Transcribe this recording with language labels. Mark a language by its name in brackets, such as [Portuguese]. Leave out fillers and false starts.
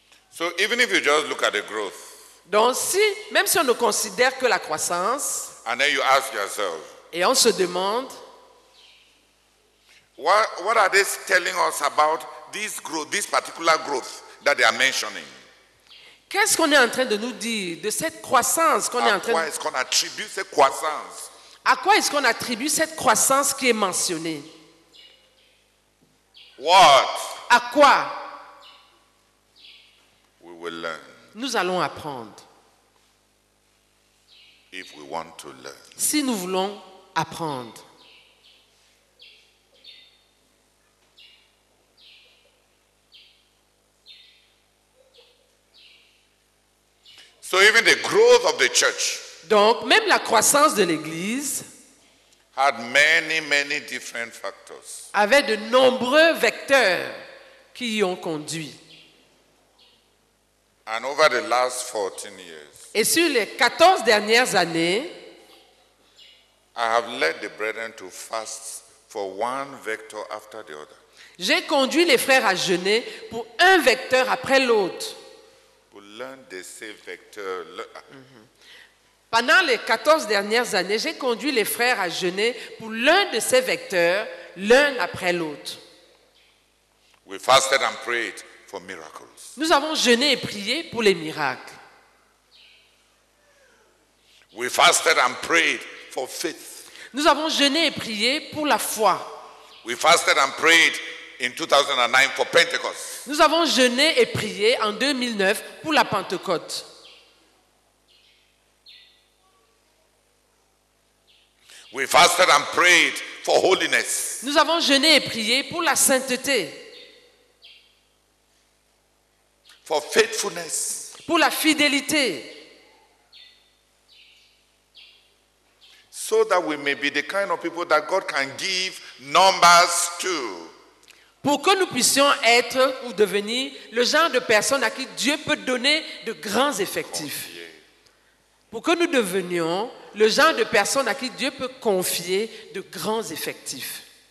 [English] So even if you just look at the growth. [French] Donc si même si on ne considère que la croissance. [English] And then you ask yourself. [French] Et on se demande. [English] What are they telling us about this growth, this particular growth that they are mentioning? [French] Qu'est-ce qu'on est en train de nous dire de cette croissance qu'on est en train de. À quoi est-ce qu'on attribue cette croissance? À quoi est-ce qu'on attribue cette croissance qui est mentionnée? [English] What? [French] À quoi? [English] We will learn. [French] Nous allons apprendre. [English] If we want to learn. [French] Si nous voulons apprendre. [English] So even the growth of the church. [French] Donc même la croissance de l'église [English] had many, many different factors. [French] Avait de nombreux vecteurs qui y ont conduit. [English] And over the last 14 years. [French] Et sur les 14 dernières années, [English] I have led the brethren to fast for one vector after the other. [French] J'ai conduit les frères à jeûner pour un vecteur après l'autre. Pour l'un de ces vecteurs. Pendant les 14 dernières années, j'ai conduit les frères à jeûner pour l'un de ces vecteurs, l'un après l'autre. [English] We fasted and prayed for miracles. [French] Nous avons jeûné et prié pour les miracles. [English] We fasted and prayed for faith. [French] Nous avons jeûné et prié pour la foi. [English] We fasted and prayed in 2009 for Pentecost. [French] Nous avons jeûné et prié en 2009 pour la Pentecôte. [English] We fasted and prayed for holiness. [French] Nous avons jeûné et prié pour la sainteté. [English] For faithfulness. [French] Pour la fidélité. [English] So that we may be the kind of people that God can give numbers to. [French] Pour que nous puissions être ou devenir le genre de personnes à qui Dieu peut donner de grands effectifs. Pour que nous devenions le genre de personnes à qui Dieu peut confier de grands effectifs.